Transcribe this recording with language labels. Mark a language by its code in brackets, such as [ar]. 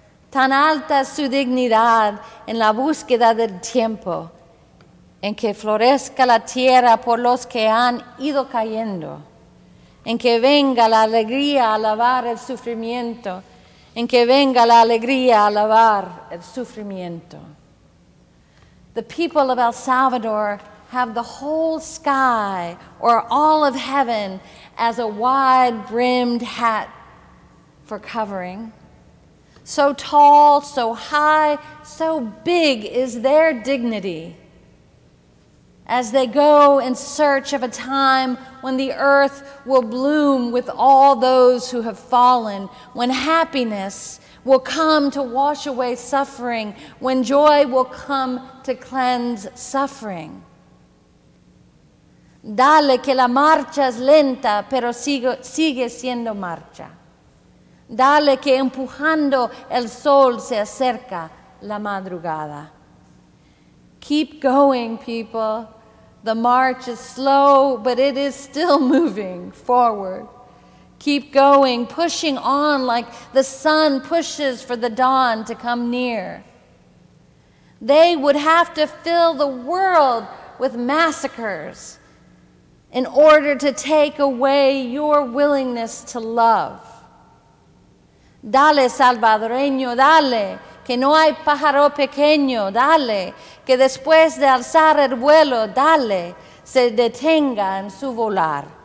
[es] Tan alta su dignidad en la búsqueda del tiempo. En que florezca la tierra por los que han ido cayendo. En que venga la alegría a alabar el sufrimiento. En que venga la alegría a alabar el sufrimiento. [en] The people of El Salvador have the whole sky or all of heaven as a wide-brimmed hat for covering. So tall, so high, so big is their dignity. As they go in search of a time when the earth will bloom with all those who have fallen, when happiness will come to wash away suffering, when joy will come to cleanse suffering. [es] Dale que la marcha es lenta, pero sigue siendo marcha. Dale que empujando el sol se acerca la madrugada. [en] Keep going, people. The march is slow, but it is still moving forward. Keep going, pushing on like the sun pushes for the dawn to come near. They would have to fill the world with massacres in order to take away your willingness to love. [es] Dale, salvadoreño, dale. Que no hay pájaro pequeño, dale, que después de alzar el vuelo, dale, se detenga en su volar.